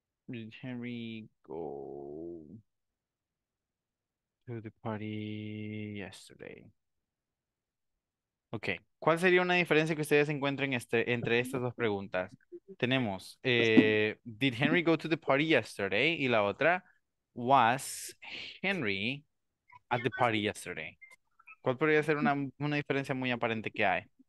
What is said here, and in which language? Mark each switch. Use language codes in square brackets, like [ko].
[en] Did Henry go to the party yesterday? Okay. [es] ¿Cuál sería una diferencia que ustedes encuentren entre estas dos preguntas? Tenemos, [en] did Henry go to the party yesterday? [es] Y la otra, [en] was Henry at the party yesterday? [es] ¿Cuál podría ser una diferencia muy aparente que hay?